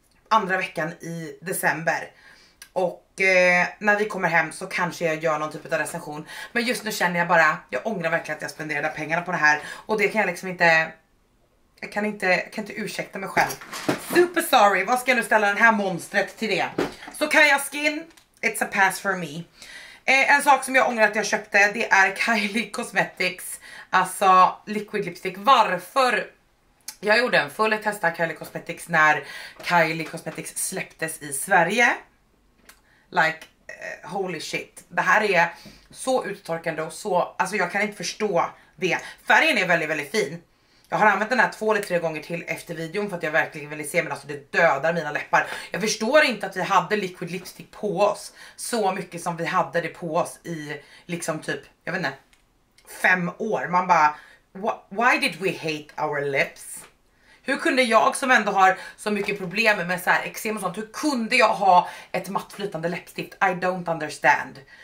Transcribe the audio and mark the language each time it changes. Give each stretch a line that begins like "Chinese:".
Swedish: andra veckan i december. Och när vi kommer hem så kanske jag gör någon typ av recension. Men just nu känner jag bara, jag ångrar verkligen att jag spenderade pengarna på det här. Och det kan jag liksom inte, jag kan inte ursäkta mig själv.
English: Super sorry,
Swedish: vad ska jag nu ställa den här monstret till det? Så
English: Kaya Skin, it's a pass for me.
Swedish: En sak som jag ångrar att jag köpte, det är Kylie Cosmetics, alltså liquid lipstick. Varför? Jag gjorde en full testa Kylie Cosmetics när Kylie Cosmetics släpptes i Sverige.
English: Like, holy shit.
Swedish: Det här är så uttorkande och så, alltså jag kan inte förstå det. Färgen är väldigt, väldigt fin. Jag har använt den här 2 eller 3 gånger till efter videon för att jag verkligen ville se, men alltså det dödar mina läppar. Jag förstår inte att vi hade liquid lipstick på oss så mycket som vi hade det på oss i liksom typ, jag vet inte, 5 år. Man bara,
English: why did we hate our lips?
Swedish: Hur kunde jag som ändå har så mycket problem med så här eksem och sånt, hur kunde jag ha ett mattflytande läppstift?
English: I don't understand.